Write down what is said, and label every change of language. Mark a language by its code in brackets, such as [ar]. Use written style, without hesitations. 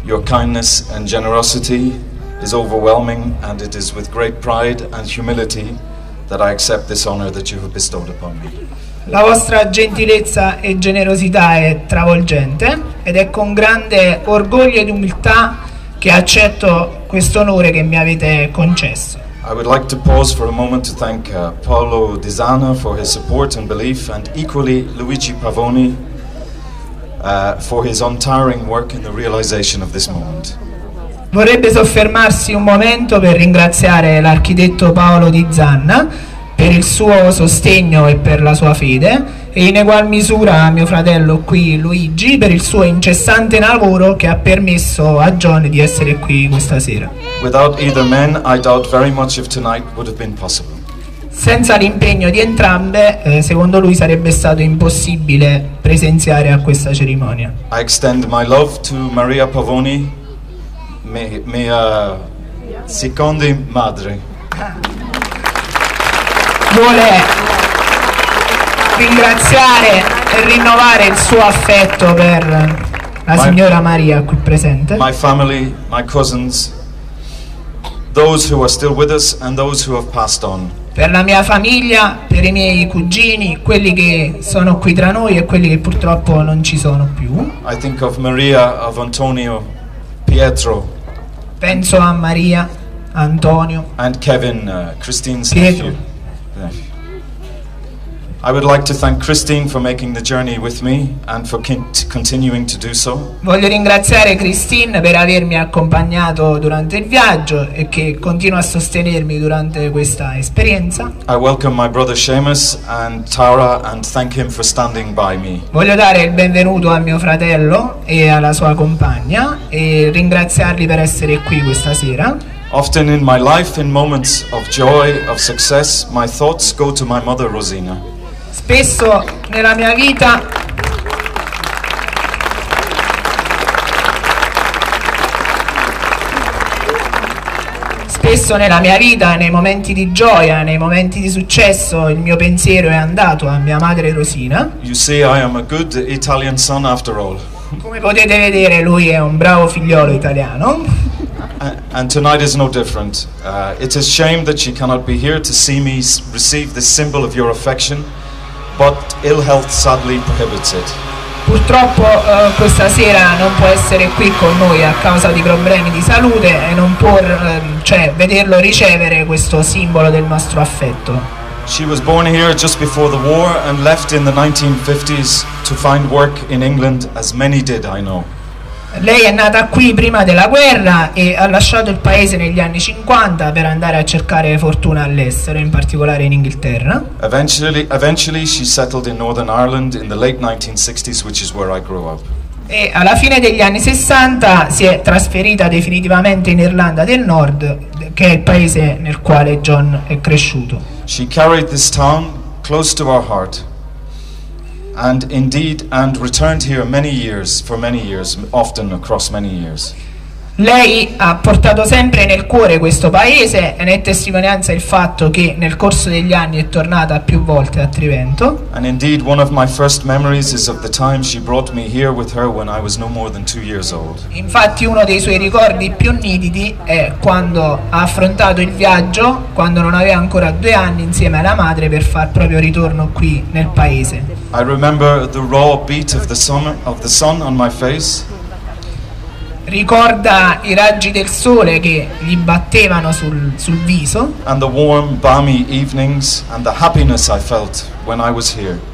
[en] Your kindness and generosity is overwhelming, and it is with great pride and humility that I accept this honor that you have bestowed upon me. [it] La vostra gentilezza e generosità è travolgente ed è con grande orgoglio ed umiltà che accetto questo onore che mi avete concesso. [en] I would like to pause for a moment to thank Paolo Di Zana for his support and belief, and equally Luigi Pavoni for his untiring work in the realization of this moment. [it] Vorrebbe soffermarsi un momento per ringraziare l'architetto Paolo Di Zana per il suo sostegno e per la sua fede, e in egual misura a mio fratello qui Luigi per il suo incessante lavoro che ha permesso a John di essere qui questa sera. [en] Without either man, I doubt very much if tonight would have been possible. [it] Senza l'impegno di entrambe, secondo lui sarebbe stato impossibile presenziare a questa cerimonia. [en] I extend my love to Maria Pavoni, [it] mia seconda madre. Vuole ringraziare e rinnovare il suo affetto per la signora Maria qui presente. [en] My family, my cousins, those who are still with us and those who have passed on. [it] Per la mia famiglia, per i miei cugini, quelli che sono qui tra noi e quelli che purtroppo non ci sono più. [en] I think of Maria, of Antonio, Pietro. [it] Penso a Maria, Antonio. [en] And Kevin, Christine's nephew. I would like to thank Christine for making the journey with me and for continuing to do so. [it] Voglio ringraziare Christine per avermi accompagnato durante il viaggio e che continua a sostenermi durante questa esperienza. [en] I welcome my brother Seamus and Tara and thank him for standing by me. [it] Voglio dare il benvenuto a mio fratello e alla sua compagna e ringraziarli per essere qui questa sera. [en] Often in my life, in moments of joy, of success, my thoughts go to my mother Rosina. [it] Spesso nella mia vita nei momenti di gioia, nei momenti di successo, il mio pensiero è andato a mia madre Rosina. [en] You see, I am a good Italian son after all. [it] Come potete vedere, lui è un bravo figliolo italiano. [en] And tonight is no different. It is a shame that she cannot be here to see me receive this symbol of your affection. But ill health sadly prohibits it. [it] Purtroppo questa sera non può essere qui con noi a causa di problemi di salute e non può vederlo ricevere questo simbolo del nostro affetto. [en] She was born here just before the war and left in the 1950s to find work in England, as many did, I know. [it] Lei è nata qui prima della guerra e ha lasciato il paese negli anni 50 per andare a cercare fortuna all'estero, in particolare in Inghilterra. [en] Eventually she settled in Northern Ireland in the late 1960s, which is where I grew up. [it] E alla fine degli anni 60 si è trasferita definitivamente in Irlanda del Nord, che è il paese nel quale John è cresciuto. [en] She carried this town close to our heart. And indeed, and returned here for many years, often across many years. [it] Lei ha portato sempre nel cuore questo paese e ne è testimonianza il fatto che nel corso degli anni è tornata più volte a Trivento. [en] And indeed, one of my first memories is of the time she brought me here with her when I was no more than 2 years old. [it] Infatti, uno dei suoi ricordi più nitidi è quando ha affrontato il viaggio, quando non aveva ancora 2 anni, insieme alla madre per far proprio ritorno qui nel paese. [en] I remember the raw beat of the summer, of the sun on my face. [it] Ricorda i raggi del sole che gli battevano sul viso. [en] And the warm, balmy evenings and the happiness I felt when I was here.